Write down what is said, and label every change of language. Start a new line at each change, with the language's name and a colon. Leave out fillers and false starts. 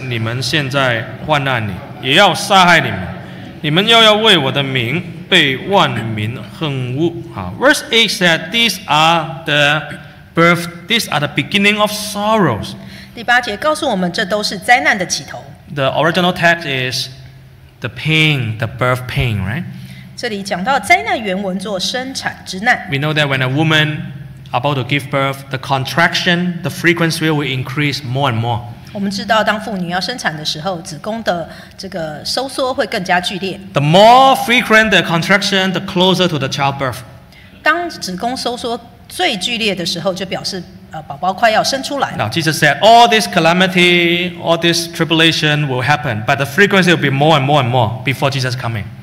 Chinese: 一起读。这都是灾难的起头。那时人要把你们陷在患难里。也要杀害你们，你们又要为我的名被万民恨恶。
English: Verse 8 said, these are the beginning of sorrows.
Chinese: 第八节告诉我们，这都是灾难的起头。
English: The original text is the pain, the birth pain, right?
Chinese: 这里讲到灾难原文做生产之难。
English: We know that when a woman about to give birth, the contraction, the frequency will increase more and more.
Chinese: 我们知道，当妇女要生产的时候，子宫的这个收缩会更加剧烈。
English: The more frequent the contraction, the closer to the childbirth.
Chinese: 当子宫收缩最剧烈的时候，就表示宝宝快要生出来了。
English: Now Jesus said, "All this calamity, all this tribulation will happen, but the frequency will be more and more and more before Jesus coming."